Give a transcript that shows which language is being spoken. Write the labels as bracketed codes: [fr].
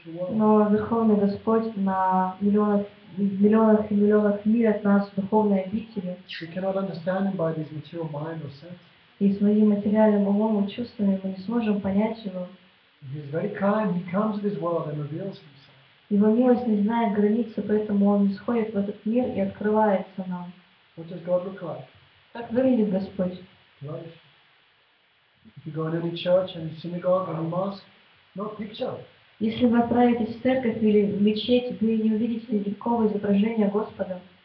[ru] Но Верховный Господь на миллионах. В миллионах и миллионах миль от нас в духовной обители. [en] We cannot understand him by his material mind or sense. [ru] И своим материальным умом и чувствами мы не сможем понять его. [en] He is very kind. He comes to this world and reveals himself. [ru] Его милость не знает границы, поэтому он исходит в этот мир и открывается нам. [en] What does God look like? [ru] Как выглядит Господь? [en] Right. If you go in any church, any synagogue, any mosque, no picture. [ru] Если вы отправитесь в церковь или в мечеть, вы не увидите никакого изображения Господа.